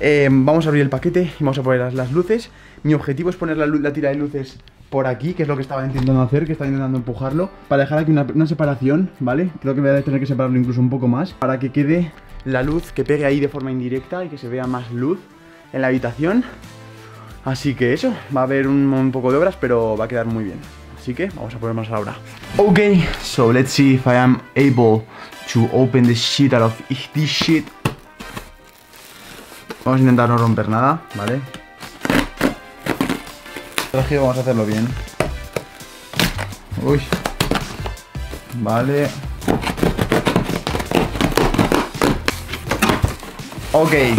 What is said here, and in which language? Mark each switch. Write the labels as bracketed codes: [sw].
[es] Vamos a abrir el paquete y vamos a poner las luces. Mi objetivo es poner la tira de luces por aquí, que es lo que estaba intentando hacer, que estaba intentando empujarlo, para dejar aquí una separación, ¿vale? Creo que voy a tener que separarlo incluso un poco más, para que quede la luz, que pegue ahí de forma indirecta y que se vea más luz en la habitación. Así que eso, va a haber un poco de obras, pero va a quedar muy bien. Así que vamos a poner más a la obra. [en] Ok, so let's see if I am able to open the shit out of this shit. [es] Vamos a intentar no romper nada, ¿vale? Vamos a hacerlo bien. Uy. Vale. Ok.